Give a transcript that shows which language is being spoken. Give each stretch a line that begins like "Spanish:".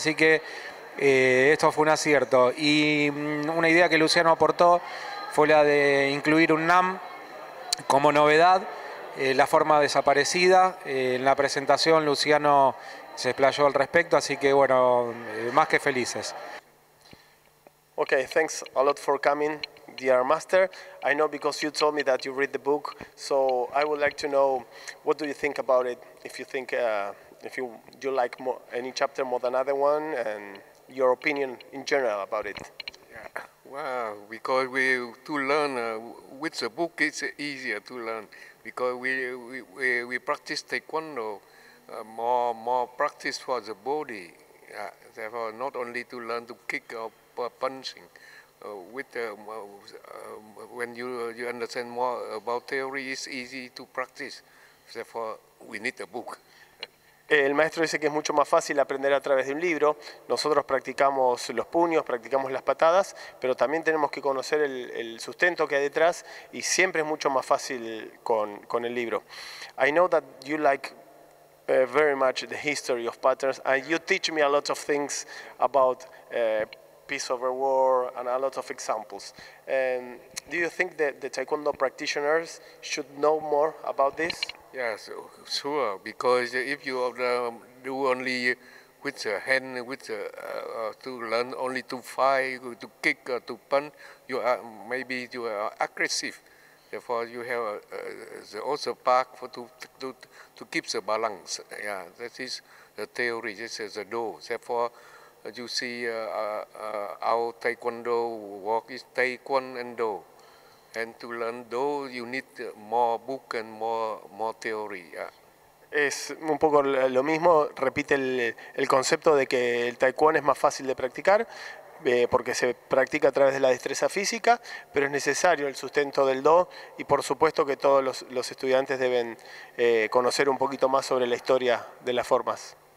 Spanish: Así que esto fue un acierto. Y una idea que Luciano aportó fue la de incluir un NAM como novedad, la forma desaparecida. En la presentación Luciano se explayó al respecto, así que bueno, más que felices.
English: Okay, thanks a lot for coming, dear master. I know because you told me that you read the book, so I would like to know what do you think about it. If you think if you like any chapter more than other one, and your opinion in general about it. Yeah. Wow, because we to learn with the book it's easier to learn because we practice taekwondo more practice for the body. Yeah. Therefore, not only to learn to kick up. Punching when you understand more about theory, it's easy to practice. Therefore, we need a book.
Spanish: El maestro dice que es mucho más fácil aprender a través de un libro. Nosotros practicamos los puños, practicamos las patadas, pero también tenemos que conocer el sustento que hay detrás, y siempre es mucho más fácil con el libro.
English: I know that you like very much the history of patterns, and you teach me a lot of things about peace over war and a lot of examples. Do you think that the Taekwondo practitioners should know more about this? Yes, sure, because if you do only with the hand, to learn only to fight, to kick, to punch, you are, maybe you are aggressive. Therefore, you have the also back for to keep the balance. Yeah, that is the theory, this is the do. Therefore, you see our Taekwondo work is Taekwondo and do. And to learn do, you need more book and more theory. Yeah.
Spanish: Es un poco lo mismo, repite el concepto de que el Taekwondo es más fácil de practicar, porque se practica a través de la destreza física, pero es necesario el sustento del do, y por supuesto que todos los estudiantes deben conocer un poquito más sobre la historia de las formas.